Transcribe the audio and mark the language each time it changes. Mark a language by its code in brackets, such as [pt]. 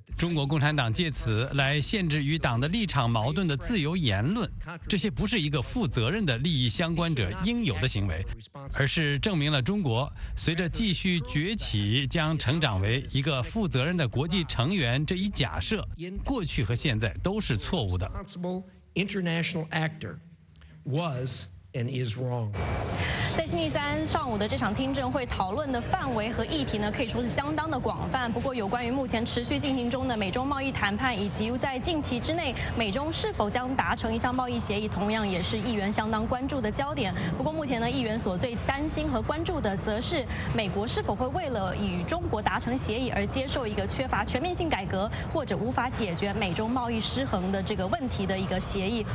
[zh] 中国共产党借此来限制与党的立场矛盾的自由言论，这些不是一个负责任的利益相关者应有的行为，而是证明了中国随着继续崛起将成长为一个负责任的国际成员这一假设，过去和现在都是错误的。 [en] international actor was and is wrong. [zh] 在星期三上午的这场听证会讨论的范围和议题呢，可以说是相当的广泛。不过有关于目前持续进行中的美中贸易谈判，以及在近期之内美中是否将达成一项贸易协议，同样也是议员相当关注的焦点。不过目前呢，议员所最担心和关注的则是美国是否会为了与中国达成协议而接受一个缺乏全面性改革或者无法解决美中贸易失衡的这个问题的一个协议。